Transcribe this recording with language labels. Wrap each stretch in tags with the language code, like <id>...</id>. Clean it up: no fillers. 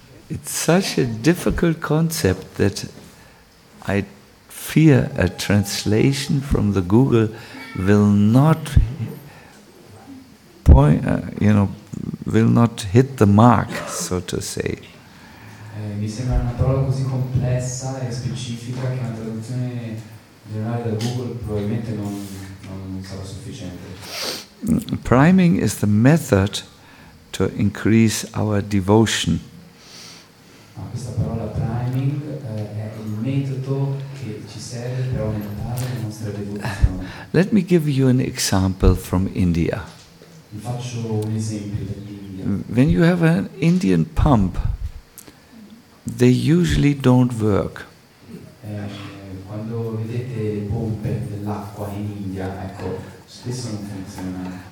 <en>It's such a difficult concept that I fear a translation from the Google will not point, you know, will not hit the mark, so to say.</en> <it>Mi sembra una parola così complessa e specifica che una traduzione generale da Google probabilmente non sarà sufficiente.</it> <en>Priming is the method to increase our devotion.</en> <it>Ma questa parola priming è il metodo che ci serve per aumentare la nostra devozione.</it> <en>Let me give you an example from India.</en> <it>Vi faccio un esempio dall'India.</it> <en>When you have an Indian pump, they usually don't work.</en> <it>Quando vedete le pompe dell'acqua in India, ecco, spesso non funzionano.</it>